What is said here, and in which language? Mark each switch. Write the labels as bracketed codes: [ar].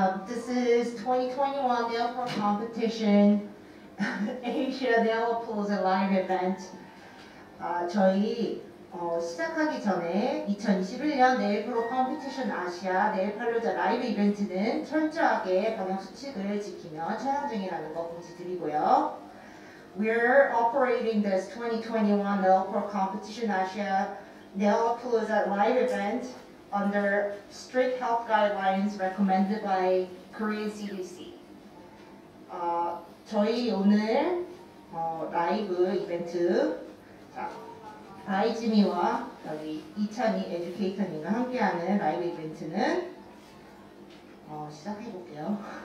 [en] This is 2021 Nailpro Competition Asia Nail Pools Live Event. [ko] 저희 시작하기 전에 2021년 네일프로 컴피티션 아시아 네일팔로자 라이브 이벤트는 철저하게 방역수칙을 지키며 촬영 중이라는 거 공지드리고요. [en] We're operating this 2021 Nailpro Competition Asia Nailpalooza Live Event under strict health guidelines recommended by Korean CDC. [ko] 저희 오늘 라이브 이벤트 아이즈미와 여기 이찬이 에듀케이터님과 함께하는 라이브 이벤트는 시작해볼게요.